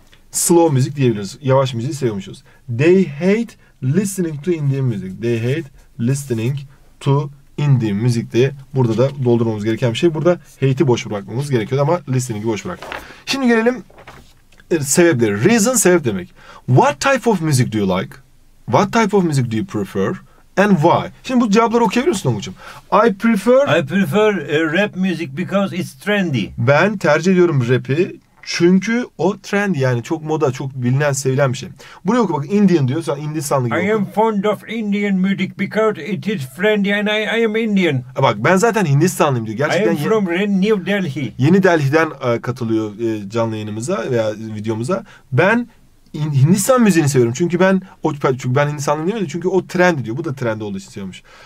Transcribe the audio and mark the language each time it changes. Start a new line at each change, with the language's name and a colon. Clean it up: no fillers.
Turkish: Slow müzik diyebiliriz. Yavaş müziği seviyormuşuz.
English: They hate listening to Indian music. They hate listening to indie
Turkish: müzik de burada da doldurmamız gereken bir şey. Burada hate'i boş bırakmamız gerekiyor ama listening'i boş bırak. Şimdi gelelim sebepleri. Reason, sebep demek.
English: What type of music do you like? What type of music do you prefer? And why?
Turkish: Şimdi bu cevapları okuyabilir misin Tonguç'um?
English: I prefer rap music because it's trendy.
Turkish: Ben tercih ediyorum rap'i çünkü o trend, yani çok moda, çok bilinen, sevilen bir şey. Bunu oku bak, Indian diyor. Sen Hindistanlı gibi
English: oku. I am fond of Indian music because it is trendy and I am Indian.
Turkish: Bak ben zaten Hindistanlıyım diyor. Gerçekten
English: I am from New Delhi.
Turkish: Yeni Delhi'den katılıyor canlı yayınımıza veya videomuza. Ben Hindistan müziğini seviyorum. Çünkü ben o, çünkü ben Hindistanlıyım demedim. Çünkü o trend diyor. Bu da trend olduğu için seviyormuş.